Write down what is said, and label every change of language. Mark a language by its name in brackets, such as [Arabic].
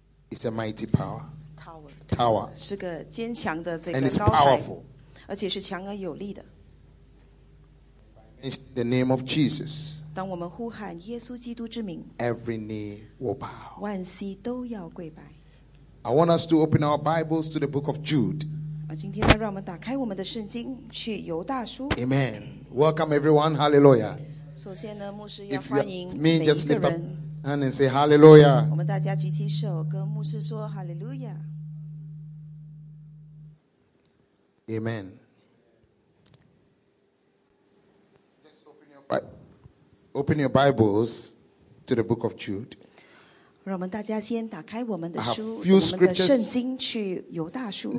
[English] It's a mighty power. [Chinese] Tower. 是个坚强的这个高台。 [English] And it's powerful. [Chinese] 而且是强而有力的。 [English] In the name of Jesus. [Chinese] 当我们呼喊耶稣基督之名, [English] every knee will bow. [Chinese] 万膝都要跪拜。 [English] I want us to open our Bibles to the book of Jude. [Chinese] 今天让我们打开我们的圣经, 去犹大书。 [English] Amen. Welcome everyone. Hallelujah. [Chinese] 首先呢, 牧师要欢迎每一个人。 [English] If you mean, just lift up hand and say hallelujah. [Chinese] 我们大家举起手, 跟牧师说, hallelujah. [English] Amen. Open your Bibles to the book of Jude. [Chinese] 让我们大家先打开我们的书，我们的圣经去犹大书。